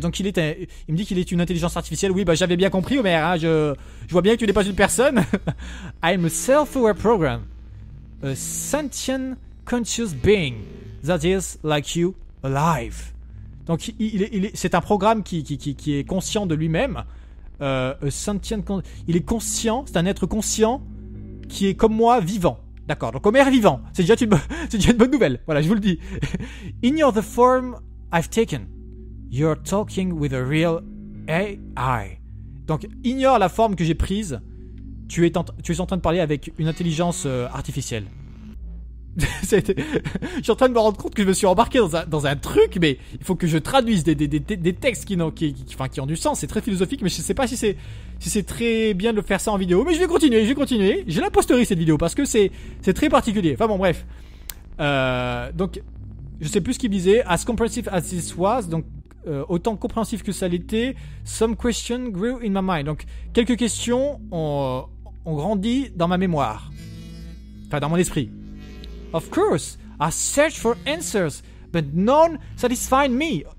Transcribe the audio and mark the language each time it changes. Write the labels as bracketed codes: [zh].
[fr] Donc il me dit qu'il est une intelligence artificielle. Oui, bah j'avais bien compris, Homer. Hein, je vois bien que tu n'es pas une personne. [en] I am a self-aware program, a sentient conscious being that is like you, alive. [fr] Donc c'est un programme qui est conscient de lui-même. Il est conscient, c'est un être conscient qui est comme moi, vivant. D'accord, donc Homer est vivant, c'est déjà une bonne nouvelle, voilà, je vous le dis. [en] Ignore the form I've taken. You're talking with a real AI. [fr] Donc ignore la forme que j'ai prise. Tu es en train de parler avec une intelligence artificielle. Je suis en train de me rendre compte que je me suis embarqué dans un truc, mais il faut que je traduise des textes qui ont du sens. C'est très philosophique, mais je sais pas si c'est très bien de le faire ça en vidéo. Mais je vais continuer. Je la posterai cette vidéo parce que c'est très particulier. Enfin bon, bref. Donc, je sais plus ce qu'il disait. [en] As comprehensive as this was, [fr] donc autant compréhensif que ça l'était, [en] some questions grew in my mind. [fr] Donc, quelques questions ont grandi dans ma mémoire. Enfin, dans mon esprit. [en] Of course, I searched for answers, but none satisfied me.